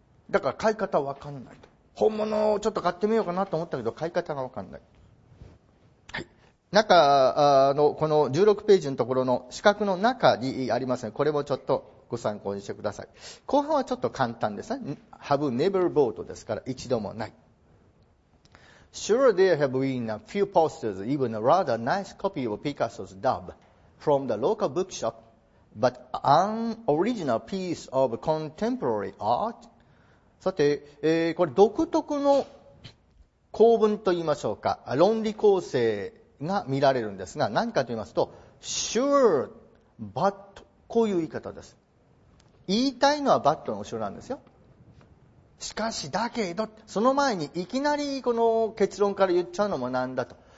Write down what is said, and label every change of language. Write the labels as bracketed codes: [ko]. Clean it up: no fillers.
[ja] だから買い方は分かんないと。本物をちょっと買ってみようかなと思ったけど買い方が分かんない。はい。中のこの16ページのところの四角の中にありますね。これもちょっとご参考にしてください。後半はちょっと簡単ですね。 [en] Have never bought [ja] ですから一度もない。 [en] Sure there have been a few posters, even a rather nice copy of Picasso's Dove. From the local bookshop, but an original piece of contemporary art. [ja] さて、これ独特の構文といいましょうか、論理構成が見られるんですが、何かと言いますと、sure, but, こういう言い方です。言いたいのは but の後ろなんですよ。しかし、だけど、その前にいきなりこの結論から言っちゃうのもなんだと。